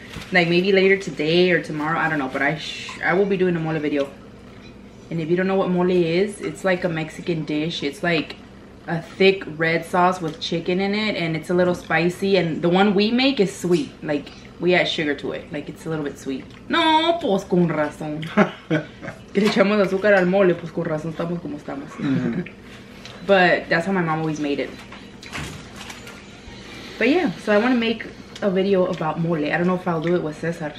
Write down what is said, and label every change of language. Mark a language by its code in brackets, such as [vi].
[en] Like maybe later today or tomorrow, I don't know, but I will be doing a mole video. And if you don't know what mole is, it's like a Mexican dish. It's like a thick red sauce with chicken in it, and it's a little spicy, and the one we make is sweet. Like, we add sugar to it. Like, it's a little bit sweet. [es] No, pues con razón. Que le echamos azúcar al mole, pues con razón estamos como estamos. [en] But that's how my mom always made it. But yeah, so I want to make a video about mole. I don't know if I'll do it with César.